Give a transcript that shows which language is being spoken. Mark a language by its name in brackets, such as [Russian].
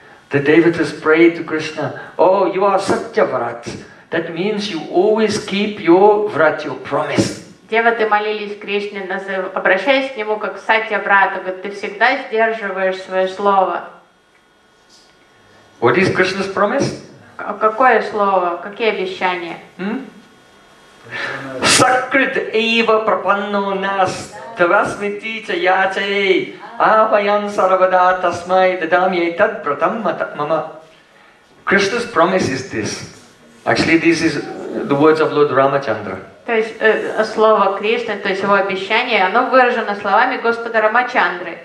[English] The devotees prayed to Krishna, oh, you are Satya Vrat. That means you always keep your Vrat, your promise. [Russian] Девоты молились Кришне, обращаясь к нему как Сатья Врата, говорит, ты всегда сдерживаешь свое слово. [English] What is Krishna's promise? [Russian] Какое слово? Какие обещания? [Sanskrit] Sakrit eva prapanno nas tvasmiti ca yachaye. Avayam sarvada tasmai dadami etat pratam mama. [English] Krishna's promise is this. Actually, this is the words of Lord Ramachandra. [Russian] То есть слово Кришны, то есть его обещание, оно выражено словами Господа Рамачандры.